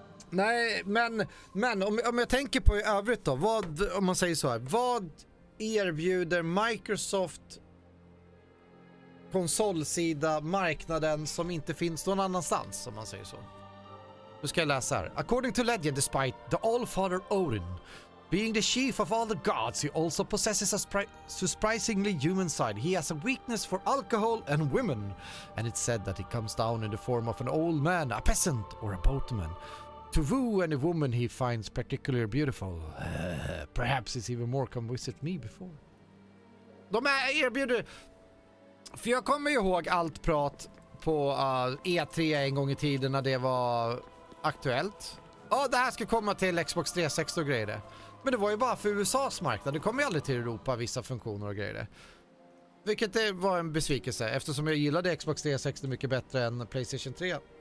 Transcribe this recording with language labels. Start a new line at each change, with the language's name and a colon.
Swedish: Nej, men om jag tänker på i övrigt då, vad, om man säger så här, vad erbjuder Microsoft konsolsida marknaden som inte finns någon annanstans, om man säger så? Nu ska jag läsa här.
English: According to legend, despite the Allfather Odin being the chief of all the gods, he also possesses a surprisingly human side. He has a weakness for alcohol and women, and it's said that he comes down in the form of an old man, a peasant or a boatman, to woo any woman he finds particularly beautiful. Perhaps he's even more come visit me before.
Swedish: De är erbjuder. För jag kommer ihåg allt prat på E3 en gång i tiden när det var aktuellt. Ja, det här ska komma till Xbox 360 och grejer. Men det var ju bara för USA:s marknad. Det kommer ju aldrig till Europa, vissa funktioner och grejer. Vilket det var en besvikelse, eftersom jag gillade Xbox 360 mycket bättre än PlayStation 3.